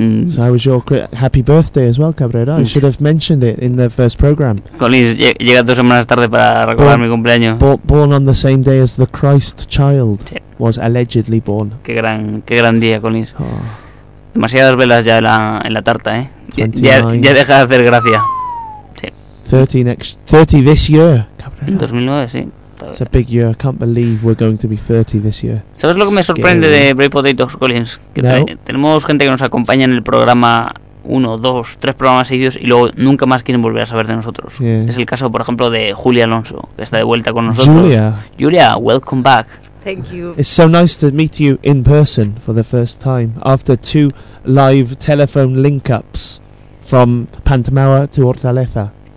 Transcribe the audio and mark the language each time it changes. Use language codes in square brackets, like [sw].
[en] So how was your happy birthday as well, Cabrera? I should have mentioned it in the first program. [es] Colin, llega dos semanas tarde para recordar mi cumpleaños. [en] Born on the same day as the Christ child was allegedly born. [es] Qué gran día, Colin. Oh. Demasiadas velas ya en la tarta, ¿eh? Ya deja de hacer gracia. Sí. [en] 30 this year, Cabrera. [es] 2009, sí. [en] It's a big year. I can't believe we're going to be 30 this year. [es] ¿Sabes lo que me sorprende de Break Potatoes, Collins? Tenemos gente que nos acompaña en el programa 1, 2, 3 programas seguidos y luego nunca más quieren volver a saber de nosotros. [en] Yeah. [es] Es el caso, por ejemplo, de Julia Alonso, que está de vuelta con nosotros. [en] Julia, welcome back. Thank you. It's so nice to meet you in person for the first time after 2 live telephone link-ups from Pantumaca to Hortaleza.